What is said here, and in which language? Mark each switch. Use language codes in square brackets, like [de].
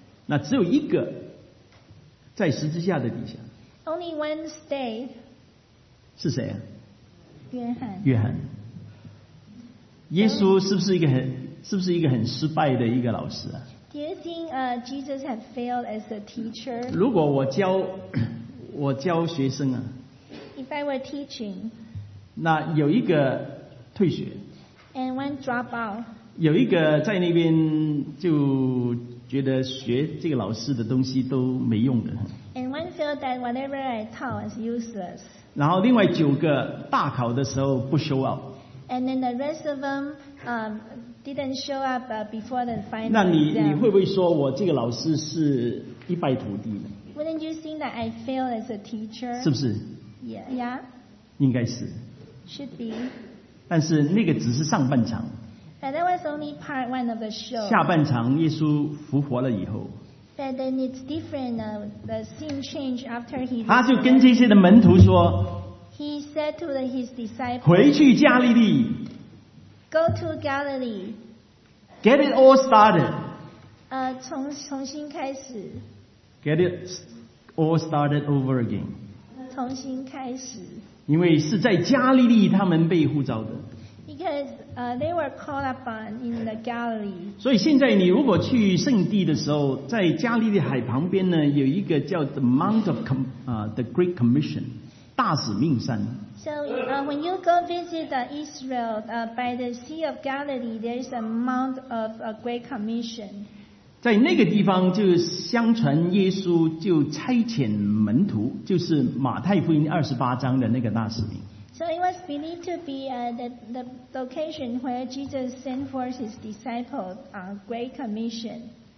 [zh] 那只有一个在十字架的底下。 [en] Only one stayed. [zh] 是谁啊？约翰。约翰。耶稣是不是一个很失败的一个老师啊 [en] ？Do you think Jesus had failed as a teacher? [zh] 如果我教学生啊 [en] ，If I were teaching, [zh] 那有一个。退学 [en] ，and one drop out， [zh] 有一个在那边就觉得学这个老师的东西都没用的 [en] ，and one feel that whatever I taught is useless。 [zh] 然后另外九个大考的时候不 [en] show up。 And then the rest of them didn't show up before the final. [zh] 那你会不会说我这个老师是一败涂地呢 [en] ？Wouldn't you think that I failed as a teacher？ [zh] 是不是 [en] ？Yeah。 [zh] 应该是。 [en] Should be。 [zh] 但是那个只是上半场。 [en] But that was only part one of the show. [zh] 下半场耶稣复活了以后。 [en] But then it's different. The scene changed after he. [zh] 他就跟这些的门徒说。 [en] He said to his disciples. [zh] 回去加利利。 [en] Go to Galilee. Get it all started. [zh] 重新开始。 [en] Get it all started over again. [zh] 重新开始。因为是在加利利他们被呼召的 [en] Because, they were called upon in the Galilee. [zh] 所以现在你如果去圣地的时候在加利利海旁边呢有一个叫 the Mount of the Great Commission 大使命山 [en] So, when you go visit Israel by the Sea of Galilee there is a Mount of a Great Commission [zh] 在那个地方就相传耶稣就差遣门徒就是马太福音二十八章的那个大使命 [en] So it was believed to be the location where Jesus sent forth his disciples on Great Commission